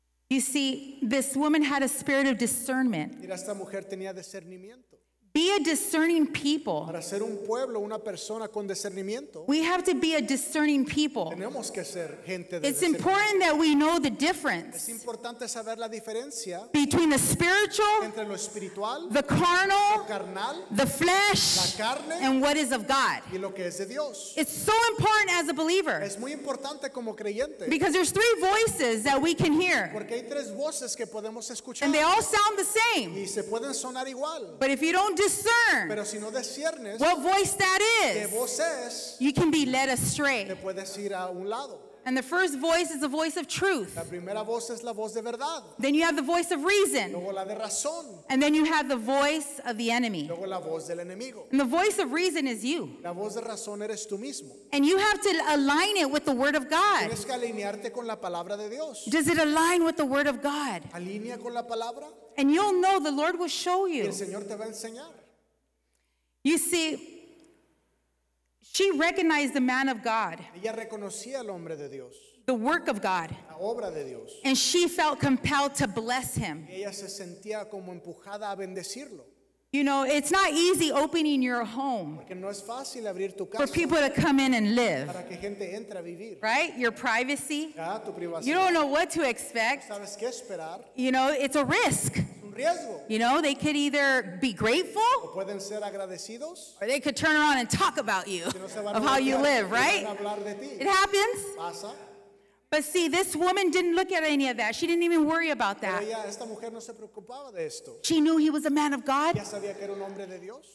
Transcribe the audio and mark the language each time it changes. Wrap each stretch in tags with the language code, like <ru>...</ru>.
<en>You see, this woman had a spirit of discernment.</en> <es>Mira, esta mujer tenía discernimiento.</es> <en>Be a discerning people.</en> <es>Para ser un pueblo, una persona con discernimiento,</es> <en>we have to be a discerning people.</en> <es>Tenemos que ser gente de</es> <en>it's important that we know the difference.</en> <es>Es importante saber la diferencia</es> <en>between the spiritual,</en> <es>entre lo espiritual,</es> <en>the carnal,</en> <es>lo carnal,</es> <en>the flesh,</en> <es>la carne,</es> <en>and what is of God.</en> <es>Y lo que es de Dios.</es> <en>It's so important as a believer.</en> <es>Es muy importante como creyente.</es> <en>Because there's three voices that we can hear.</en> <es>Porque hay tres voces que podemos escuchar.</es> <en>And they all sound the same.</en> <es>Y se pueden sonar igual.</es> <en>But if you don't discern,</en> <es>pero si no discernes,</es> <en>what voice that is,</en> <es>que voz es,</es> <en>you can be led astray.</en> <es>Te puedes ir a un lado.</es> <en>And the first voice is the voice of truth.</en> <es>La primera voz es la voz de verdad.</es> <en>Then you have the voice of reason.</en> <es>Luego la de razón.</es> <en>And then you have the voice of the enemy.</en> <es>Luego la voz del enemigo.</es> <en>And the voice of reason is you.</en> <es>La voz de razón eres tú mismo.</es> <en>And you have to align it with the word of God.</en> <es>Tienes que alinearte con la palabra de Dios.</es> <en>Does it align with the word of God?</en> <es>Alinea con la palabra.</es> <en>And you'll know, the Lord will show you.</en> <es>Y el Señor te va a enseñar.</es> <en>You see, she recognized the man of God.</en> <es>Ella reconocía al hombre de Dios.</es> <en>The work of God.</en> <es>La obra de Dios.</es> <en>And she felt compelled to bless him.</en> <es>Y ella se sentía como empujada a bendecirlo.</es> <en>You know, it's not easy opening your home,</en> <es>porque no es fácil abrir tu casa,</es> <en>for people to come in and live.</en> <es>Para que gente entre a vivir.</es> <en>Right? Your privacy.</en> <es>Ya, tu privacidad.</es> <en>You don't know what to expect.</en> <es>No sabes qué esperar.</es> <en>You know, it's a risk.</en> <es>Riesgo.</es> <en>You know, they could either be grateful,</en> <es>o pueden ser agradecidos,</es> <en>or they could turn around and talk about you,</en> <es>si no se van</es> <en>of how you live, right?</en> <es>Hablar de ti.</es> <en>It happens.</en> <es>Pasa.</es> <en>But see, this woman didn't look at any of that. She didn't even worry about that.</en> <es>Ella, esta mujer no se preocupaba de esto.</es> <en>She knew he was a man of God.</en> <es>Ella sabía que era un hombre de Dios.</es>